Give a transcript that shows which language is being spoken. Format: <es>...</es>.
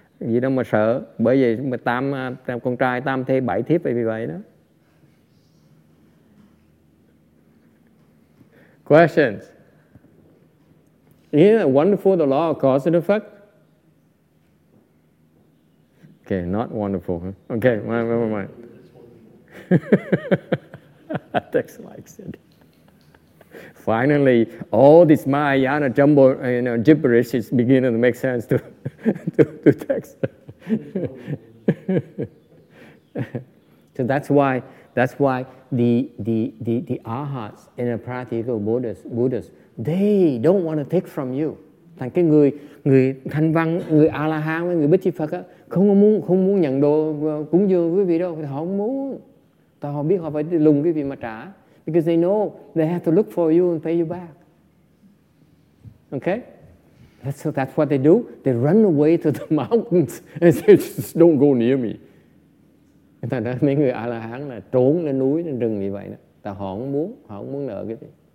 <vi>Gì đâu mà sợ, bởi vì tam con trai tam thê bảy thiếp vậy, vì vậy đó.</vi> <en>Questions? Isn't it wonderful the law of cause and effect? Okay, not wonderful. Huh? Okay, never mind. Text likes it. Finally, all this Mahayana jumbo, you know, gibberish is beginning to make sense to to text. So that's why the arhats and the practical Buddhas, they don't want to take from you.</en> <vi>Thành cái người người thanh văn, người A La Hán với người Bích Chi Phật á, không muốn nhận đồ cúng dường quý vị đâu, họ không muốn. Tại họ biết họ phải lùng quý vị mà trả.</vi> <en>Because they know they have to look for you and pay you back. Okay? That's what they do. They run away to the mountains and say, just don't go near me.</en> <vi>Thành ra mấy người A La Hán là trốn lên núi, lên rừng như vậy đó. Tại họ không muốn nợ cái gì.</vi>